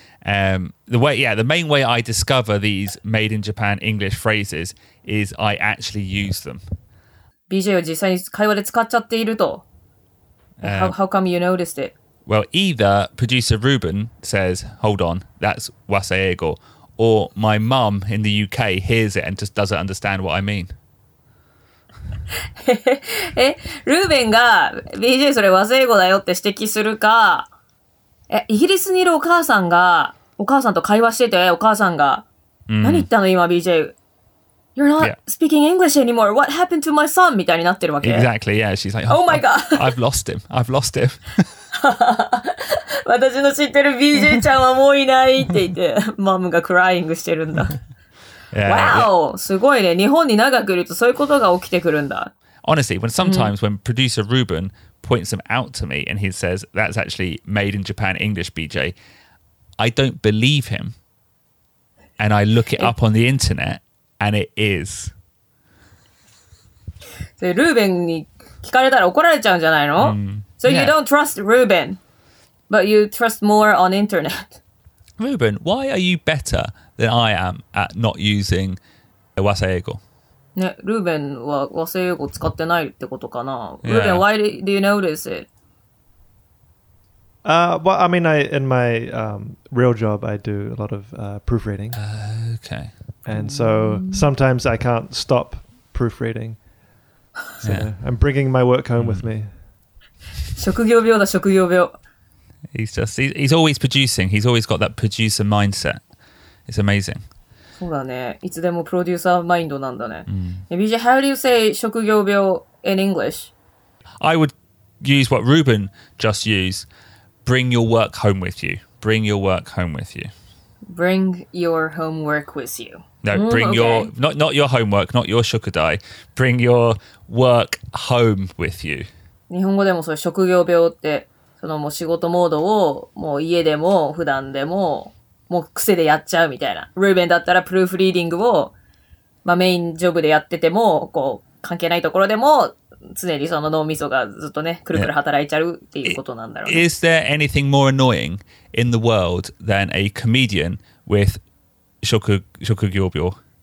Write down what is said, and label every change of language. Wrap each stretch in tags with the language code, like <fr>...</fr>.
<en>The main way I discover these made in Japan English phrases. Is I actually use them.</en> <ja>BJ を実際に会話で使っちゃっていると。</ja> <en>How come you noticed it? Well, either producer Ruben says, hold on, that's Wasei-Eigo, or my mum in the UK hears it and just doesn't understand what I mean.</en> <ja>Ruben が BJ それ Wasei-Eigo だよって指摘するか、イギリスにいるお母さんが、お母さんと会話してて、お母さんが、何言ったの今 BJ?</ja> <en>You're not speaking English anymore. What happened to my son?</en> <ja>みたいになってるわけ。</ja> <en>Exactly, yeah. She's like, oh my god. I've lost him. I've lost him.</en> <ja>私の知ってる BJ ちゃんはもういないって言って、マムがクライングしてるんだ。</ja> <en>Yeah, wow! Yeah.</en> <ja>すごいね。日本に長くいるとそういうことが起きてくるんだ。</ja> <en>Honestly, when sometimes when producer Ruben points them out to me and he says, that's actually made in Japan English, BJ, I don't believe him. And I look it up on the internet. And it is.</en> <ja>So, Ruben, に聞かれたら怒られちゃうんじゃないの?</ja> <en>So, you don't trust Ruben, but you trust more on internet. Ruben, why are you better than I am at not using Wasei-Eigo?</en> <ja>ね、Ruben は Wasei-Eigo 使ってないってことかな?</ja> <en>Ruben, why do you notice it? In my real job, I do a lot of proofreading. Okay. And so sometimes I can't stop proofreading. So I'm bringing my work home with me.</en> <ja>職業病だ、職業病。</ja> <en>He's always producing. He's always got that producer mindset. It's amazing.</en> <ja>そうだね。いつでもプロデューサーマインドなんだね。</ja> <en>BJ, how do you say 職業病 in English? I would use what Ruben just used. Bring your work home with you. Bring your work home with you. Bring your homework with you. No, bring your... Not your homework, not your shukudai. Bring your work home with you.</en> <ja>日本語でもそういう職業病って、そのもう仕事モードをもう家でも普段でももう癖でやっちゃうみたいな。 Ruben だったらプルーフリーディングを、まあ、メインジョブでやってても、こう関係ないところでも常にその脳みそがずっとね、くるくる働いちゃうっていうことなんだろうね。</ja> <en>Is there anything more annoying? In the world than a comedian with shokugyobyo.</en>